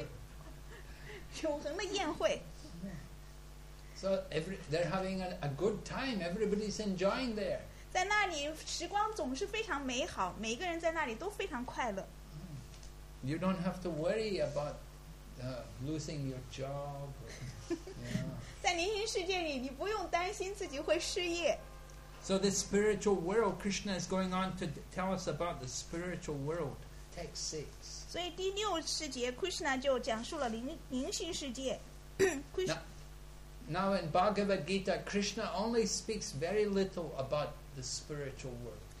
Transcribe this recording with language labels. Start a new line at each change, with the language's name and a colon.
Chinese: 有永恒的晚会，永恒的宴会。
English: So they're having a good time. Everybody's enjoying there.
Chinese: 在那里时光总是非常美好，每个人在那里都非常快乐。
English: You don't have to worry about losing your job.
Chinese: 在灵性世界里，你不用担心自己会失业。
English: So the spiritual world, Krishna is going on to tell us about the spiritual world. Text 6.
Chinese: 所以第六世界, Krishna 就讲述了灵性世界。
English: Now in Bhagavad Gita, Krishna only speaks very little about the spiritual world.